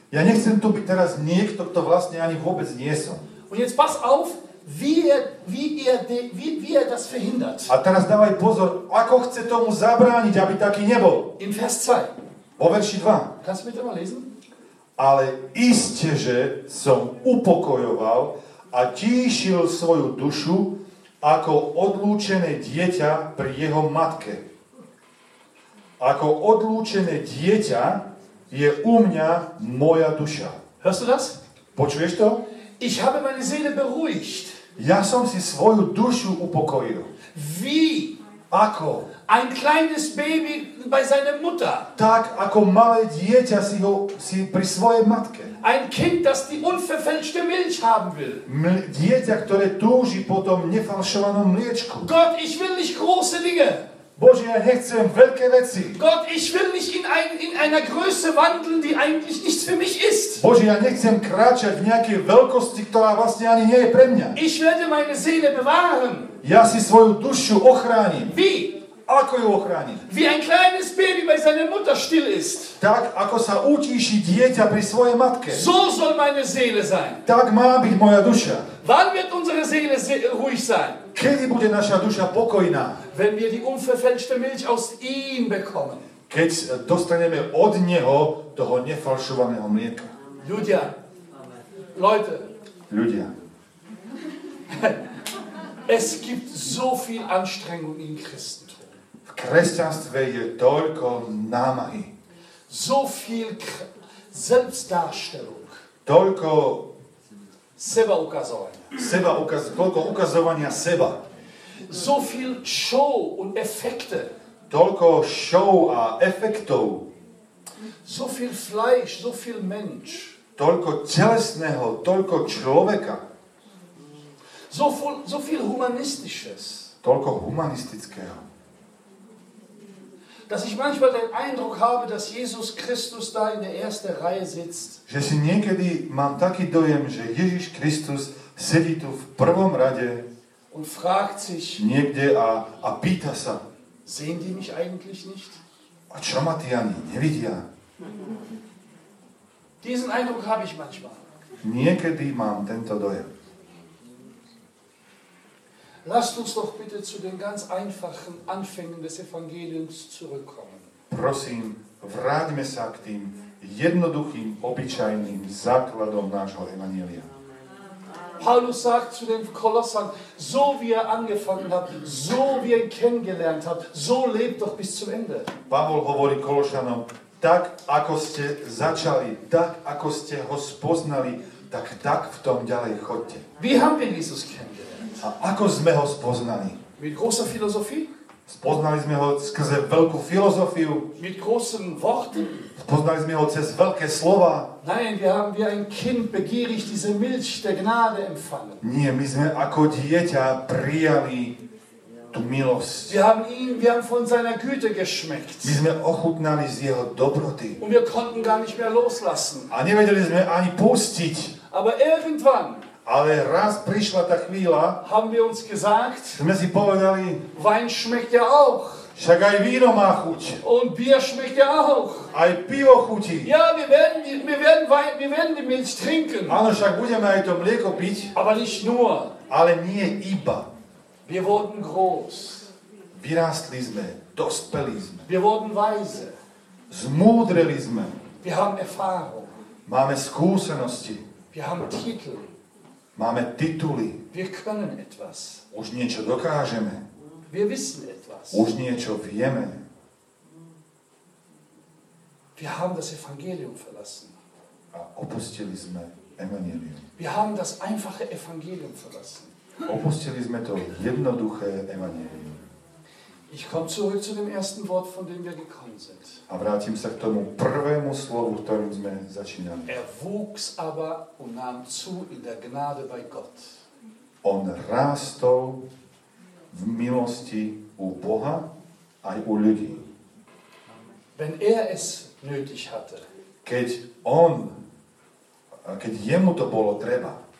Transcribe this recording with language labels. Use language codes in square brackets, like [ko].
[sk] Ja nechcem tu byť teraz niekto, kto vlastne ani vôbec nie som. [de] Und jetzt pass auf, wie er das verhindert. [sk] A teraz dávaj pozor, ako chce tomu zabrániť, aby taký nebol. [de] In Vers 2. [sk] Vo verši 2. [de] Kannst du bitte mal lesen? [sk] Ale iste, že som upokojoval a tíšil svoju dušu, ako odlúčené dieťa pri jeho matke. Ako odlúčené dieťa je u mňa moja duša. [de] Hörst du das? [sk] Počuješ to? [de] Ich habe meine Seele beruhigt. [sk] Ja som si svoju dušu upokojil. [de] Wie? [sk] Ako? [de] Ein kleines Baby bei seiner Mutter. [sk] Tak, ako malé dieťa si pri svojej matke. [de] Ein Kind, das die unverfälschte Milch haben will. [sk] Dieťa, ktoré túži po tom nefalšovanom mliečku. [de] Gott, ich will nicht große Dinge. [sk] Bože, ja nechcem veľké veci. [de] Gott, ich will nicht in einer Größe wandeln, die eigentlich nichts für mich ist. [sk] Bože, ja nechcem kráčať v nejakej veľkosti, ktorá vlastne ani nie je pre mňa. [de] Ich werde meine Seele bewahren. [sk] Ja si svoju dušu ochránim. [de] Wie? [sk] Ako ju ochránim? [de] Wie ein kleines Baby bei seiner Mutter still ist. [sk] Tak, ako sa utíši dieťa pri svojej matke. [de] So soll meine Seele sein. [sk] Tak má byť moja duša. [de] Wann wird unsere Seele ruhig sein? [sk] Kedy bude naša duša pokojná? [de] Wenn wir die unverfälschte Milch aus ihm bekommen. [sk] Keď dostaneme od neho toho nefalšovaného mlieka. Ľudia. [de] Leute. [sk] Ľudia. [de] Es gibt so viel Anstrengung in Christentum. [sk] V kresťanstve je toľko námahy. [de] So viel Selbstdarstellung. [sk] Toľko seba ukazovania. Toľko ukazovania seba. [de] So viel Show und Effekte. [sk] Toľko show a efektov. [de] So viel Fleisch, so viel Mensch. [sk] Toľko telesného, toľko človeka. [de] So viel humanistisches. [sk] Toľko humanistického. [de] Dass ich manchmal den Eindruck habe, dass Jesus Christus da in der ersten Reihe sitzt. [sk] Že si niekedy mám taký dojem, že Ježiš Kristus sedí tu v prvom rade. [de] Und fragt sich. [sk] Niekde a pýta sa. [de] Sehen die mich eigentlich nicht? [sk] A čo ma ty ani nevidia? [de] Diesen Eindruck habe ich manchmal. [sk] Niekedy mám tento dojem. [de] Lasst uns doch bitte zu den ganz einfachen Anfängen des Evangeliums zurückkommen. [sk] Prosím, vráťme sa k tým jednoduchým, obyčajným základom nášho evanjelia. [de] Paulus sagt zu den Kolossern, so wie er angefangen hat, so wie er kennengelernt hat, so lebt doch bis zum Ende. [sk] Pavol hovorí Kolosanom, tak ako ste začali, tak ako ste ho spoznali, tak v tom ďalej chodte. [de] Wie haben wir Jesus kennengelernt? [sk] A ako sme ho spoznali? [de] Mit großer Philosophie? [sk] Spoznali sme ho skrze veľkú filozofiu. [de] Mit großen Worten? [sk] Spoznali sme ho cez veľké slova. [de] Nein, wir haben wie ein Kind begierig diese Milch der Gnade empfangen. [sk] Nie, my sme ako dieťa prijali tú milosť. [de] Wir haben von seiner Güte geschmeckt. [sk] My sme ochutnali z jeho dobroty. [de] Und wir konnten gar nicht mehr loslassen. [sk] A nevedeli sme ani pustiť. [de] Aber irgendwann. [sk] Ale raz prišla tá chvíľa, [de] haben wir uns gesagt, [sk] sme si povedali, [de] Wein schmeckt ja auch. [sk] Však aj víno má chuť. [de] Und Bier schmeckt ja auch. [sk] Aj pivo chutí. [de] Ja, wir werden die Milch trinken. [sk] Áno, však budeme aj to mlieko piť. [de] Aber nicht nur. [sk] Ale nie iba. [de] Wir wurden groß. [sk] Vyrástli sme, dospeli sme. [de] Wir wurden weise. [sk] Zmúdreli sme. [de] Wir haben Erfahrung. [sk] Máme skúsenosti. [de] Wir haben Titel. [sk] Máme tituly. [de] Wir können etwas. [sk] Už niečo dokážeme. [de] Wir wissen etwas. [sk] Už niečo vieme. [de] Wir haben das Evangelium verlassen. [sk] A opustili sme evanjelium. [de] Wir haben das einfache Evangelium verlassen. [sk] Opustili sme to jednoduché evanjelium. [de] Ich komme zurück zu dem ersten Wort, von dem wir gekommen sind. [sk] A vrátim sa k tomu prvému slovu, ktorým sme začínali. [de] Er wuchs aber und nahm zu in der Gnade bei Gott. [sk] On rástol v milosti u Boha aj u ľudí. [de] Wenn er es nötig hatte. [sk] Keď jemu to bolo treba.